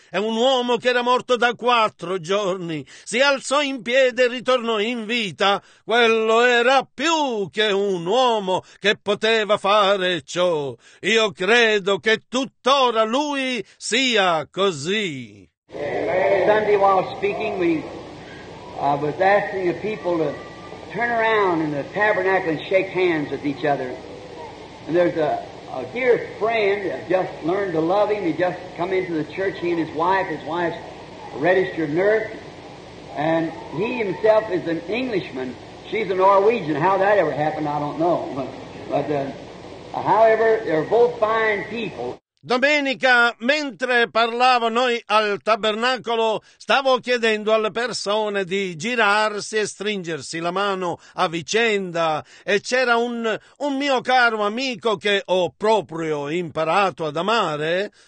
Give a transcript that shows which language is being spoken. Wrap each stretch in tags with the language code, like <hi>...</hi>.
<it>È un uomo che era morto da 4 giorni. Si alzò in piedi e ritornò in vita. Quello era più che un uomo che poteva fare ciò. Io credo che tuttora lui sia così.</it> <en>Sunday while speaking, we was asking the people to turn around in the tabernacle and shake hands with each other. And there's a dear friend that just learned to love him. He just come into the church, he and his wife's a registered nurse. And he himself is an Englishman. She's a Norwegian. How that ever happened, I don't know. However, they're both fine people.</en> <it>Domenica, mentre parlavo noi al tabernacolo, stavo chiedendo alle persone di girarsi e stringersi la mano a vicenda e c'era un mio caro amico che ho proprio imparato ad amare.</it>